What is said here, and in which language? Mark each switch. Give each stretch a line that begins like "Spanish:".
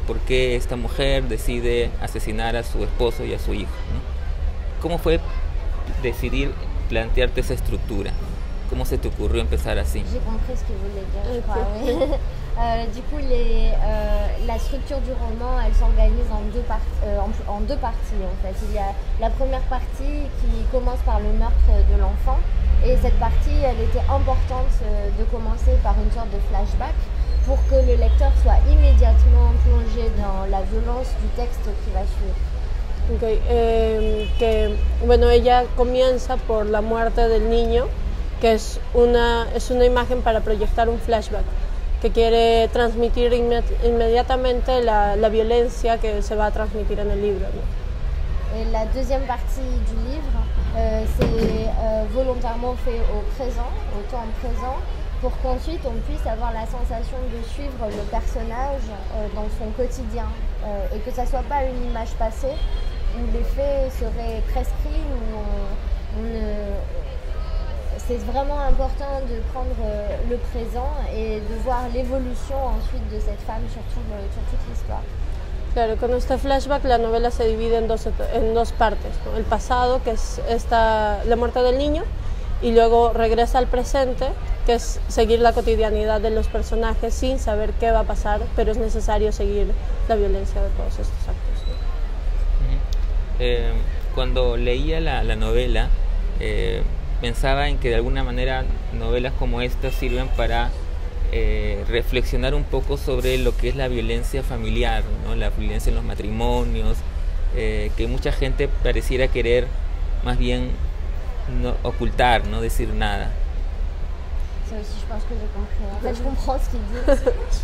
Spanish: ¿Por qué esta mujer decide asesinar a su esposo y a su hijo, ¿no? ¿Cómo fue decidir plantearte esa estructura? ¿Cómo se te ocurrió empezar así?
French: J'ai compris ce que vous voulez dire, je crois. Oui. Du coup, la structure du roman, elle s'organise en deux parties, en fait. Il y a la première partie qui commence par le meurtre de l'enfant. Et cette partie, elle était importante de commencer par une sorte de flashback pour que le lecteur soit immédiatement plongé dans la violence du texte qui va suivre. Okay.
Spanish: Bueno, ella comienza por la muerte del niño, que es una imagen para proyectar un flashback, que quiere transmitir inmediatamente la violencia que se va a transmitir en el libro, ¿no?
French: La deuxième partie du livre, c'est volontairement fait au présent, au temps présent, pour qu'ensuite on puisse avoir la sensation de suivre le personnage dans son quotidien, et que ça soit pas une image passée, où les faits seraient prescrits, où c'est vraiment important de prendre le présent et de voir l'évolution ensuite de cette femme sur, tout, sur toute l'histoire.
Spanish: Claro, con este flashback la novela se divide en dos partes, ¿no? El pasado, que es esta, la muerte del niño, y luego regresa al presente, que es seguir la cotidianidad de los personajes sin saber qué va a pasar, pero es necesario seguir la violencia de todos estos actos, ¿no? Uh-huh. Cuando leía la novela, pensaba en que de alguna manera novelas como esta sirven para reflexionar un poco sobre lo que es la violencia familiar, ¿no? La violencia en los matrimonios, que mucha gente pareciera querer más bien no, ocultar, no decir nada.
French: Ça aussi, je pense que j'ai compris. En fait, je comprends ce qu'il dit.